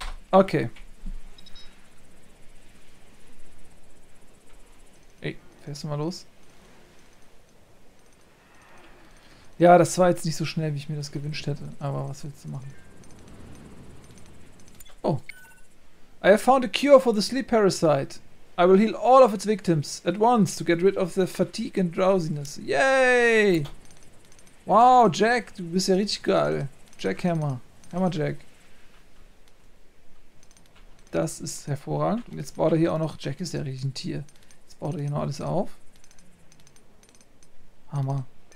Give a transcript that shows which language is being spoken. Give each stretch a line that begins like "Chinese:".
English: Okay.
German: Fährst du mal los? Ja, das war jetzt nicht so schnell, wie ich mir das gewünscht hätte. Aber was willst du machen? Oh.
English: I have found a cure for the sleep parasite. I will heal all of its victims at once to get rid of the fatigue and drowsiness. Yay!
German: Wow, Jack, du bist ja richtig geil. Jackhammer. Hammer Jack. Das ist hervorragend. Und jetzt baut er hier auch noch. Jack ist ja richtig ein Tier. Baut er hier noch alles auf. Hammer.